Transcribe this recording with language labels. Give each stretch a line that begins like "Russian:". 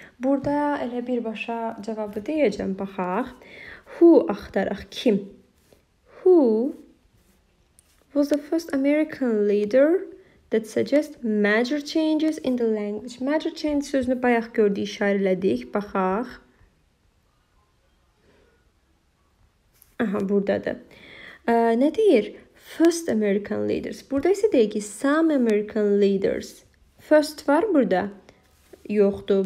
Azerbaijani: Burada elə birbaşa cavabı deyəcəm, baxaq. Who axtaraq, kim?
English: Who was the first American leader that suggests major changes in the language?
Azerbaijani: Major change sözünü bayaq gördük, işarə elədik, baxaq. Aha, buradadır. Nə deyir?
English: First American leaders.
Azerbaijani: Burada isə deyək ki,
English: some American leaders.
Azerbaijani: First var burada? Yoxdur.